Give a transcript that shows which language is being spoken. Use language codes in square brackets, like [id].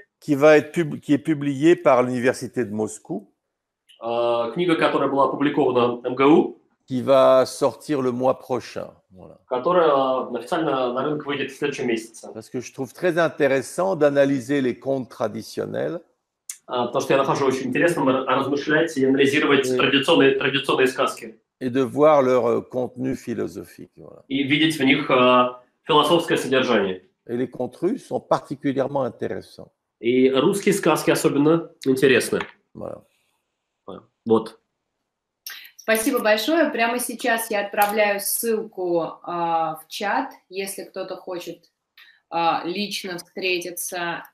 [fr] Qui est publié par l'Université de Moscou. [ru] Книга, которая была опубликована МГУ. [fr] Qui va sortir le mois prochain. Voilà. [ru] Которая официально на рынок выйдет в следующем месяце. [fr] Parce que je trouve très intéressant d'analyser les contes traditionnels. [ru] Потому что я нахожу очень интересным размышлять и анализировать традиционные сказки. [fr] Et de voir leur contenu philosophique. Voilà. [ru] И видеть в них философское содержание. [fr] Et les contes russes sont particulièrement intéressants. [ru] И русские сказки особенно интересны. [fr] Voilà. [ru] Вот. Спасибо большое. Прямо сейчас я отправляю ссылку в чат, если кто-то хочет лично встретиться.